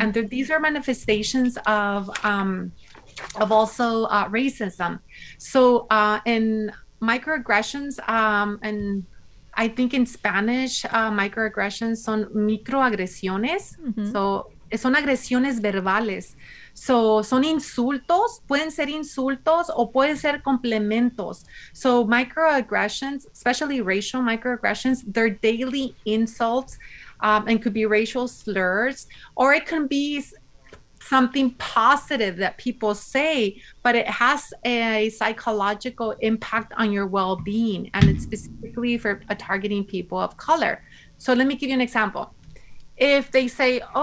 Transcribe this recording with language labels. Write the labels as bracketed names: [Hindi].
[English] And these are manifestations of also racism. So in microaggressions, and I think in Spanish, microaggressions [Spanish] son microagresiones. Mm-hmm. So son agresiones verbales. So, son insultos, pueden ser insultos o pueden ser complementos. [English] So, microaggressions, especially racial microaggressions, they're daily insults, and could be racial slurs, or it can be something positive that people say, but it has a psychological impact on your well-being, and it's specifically for targeting people of color. So, let me give you an example. If they say,